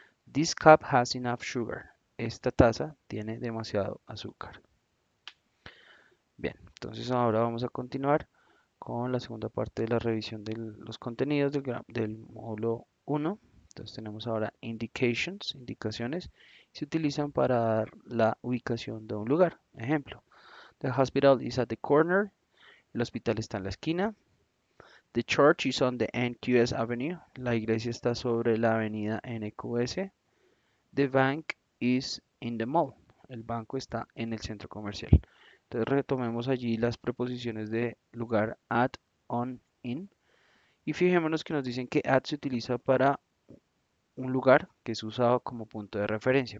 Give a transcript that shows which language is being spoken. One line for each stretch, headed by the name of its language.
English: This cup has enough sugar.
Spanish: Esta taza tiene demasiado azúcar. Bien, entonces ahora vamos a continuar con la segunda parte de la revisión de los contenidos del módulo 1. Entonces tenemos ahora indicaciones. Se utilizan para dar la ubicación de un lugar. Ejemplo,
English: the hospital is at the corner.
Spanish: El hospital está en la esquina.
English: The church is on the NQS Avenue.
Spanish: La iglesia está sobre la avenida NQS.
English: The bank is in the mall.
Spanish: El banco está en el centro comercial. Entonces retomemos allí las preposiciones de lugar at, on, in. Y fijémonos que nos dicen que at se utiliza para un lugar que es usado como punto de referencia.